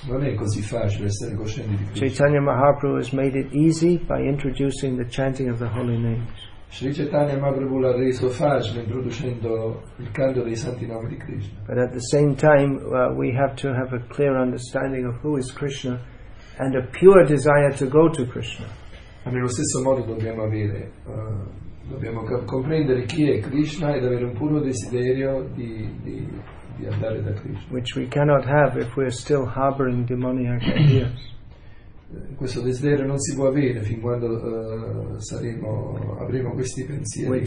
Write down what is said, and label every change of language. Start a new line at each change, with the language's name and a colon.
Italian: Non è così facile essere coscienti di Krishna.
English: Chaitanya Mahaprabhu has made it easy by introducing the chanting of the holy names.
Italian: Sri Chaitanya Mahaprabhu l'ha reso facile introducendo il canto dei santi nomi di Krishna.
English: But at the same time, we have to have a clear understanding of who is Krishna and a pure desire to go to Krishna.
Italian: Ma nello stesso modo dobbiamo avere dobbiamo comprendere chi è Krishna ed avere un puro desiderio di andare da Krishna.
English: Which we cannot have if we are still harboring demoniac ideas.
Italian: Questo desiderio non si può avere fin quando avremo questi pensieri